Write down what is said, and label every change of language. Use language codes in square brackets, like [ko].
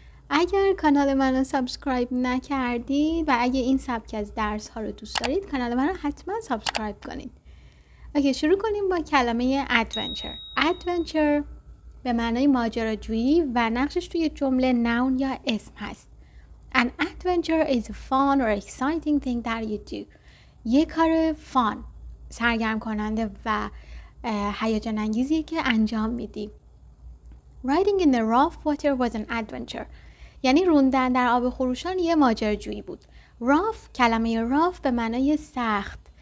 [fa] اگر کانال من رو سابسکرایب نکردید و اگه این سبک از درس ها رو دوست دارید، کانال من رو حتما سابسکرایب کنید. اوکی، شروع کنیم با کلمه ادونچر. ادونچر به معنای ماجراجویی و نقشش توی جمله نون یا اسم هست. [en] An adventure is a fun or exciting thing that you do. [fa] یه کار فان، سرگرم کننده و هیجان انگیزیه که انجام میدی. [en] Riding in the rough water was an adventure. [fa] یعنی روندن در آب خروشان یه ماجراجویی بود. Rough، کلمه rough به معنای سخت.